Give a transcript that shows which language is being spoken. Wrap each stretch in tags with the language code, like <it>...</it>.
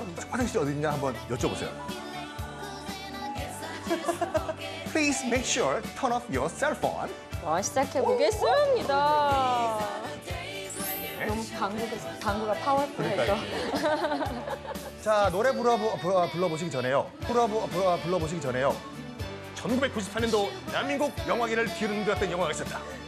<ko>화장실 어디 있냐 한번 여쭤보세요.</ko> <en>Please make sure turn off your cell phone.</en> <ko>시작해 보겠습니다. 네. 너무 방구가 파워풀해서. 자, 노래 불러보시기 전에요. 불러보시기 전에요. 1998년도 대한민국 영화계를 뒤흔들었던 영화가 있었다.</ko>